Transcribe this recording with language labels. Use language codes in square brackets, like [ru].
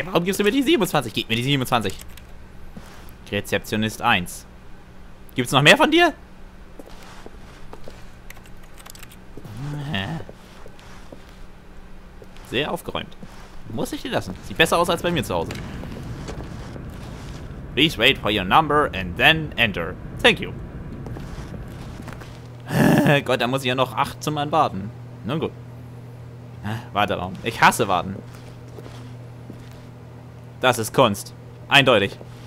[de] Warum gibst du mir die 27? Gib mir die 27. Rezeptionist 1. Gibt's noch mehr von dir? Sehr aufgeräumt. Muss ich die lassen? Sieht besser aus als bei mir zu Hause. [en] Please wait for your number and then enter. Thank you. [de] Gott, da muss ich ja noch 8 Zimmern warten. Nun gut. Warteraum. Ich hasse warten. Das ist Kunst. Eindeutig.